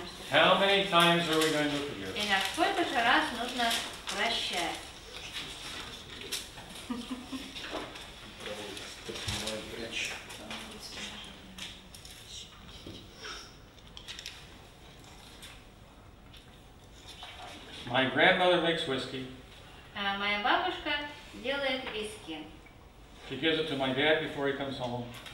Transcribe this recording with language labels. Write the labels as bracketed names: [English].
[English] How many times are we going to forgive? [Russian] Итак, сколько же раз нужно прощать? [English] My grandmother makes whiskey. [Russian] Моя бабушка делает виски. [English] She gives it to my dad before he comes home.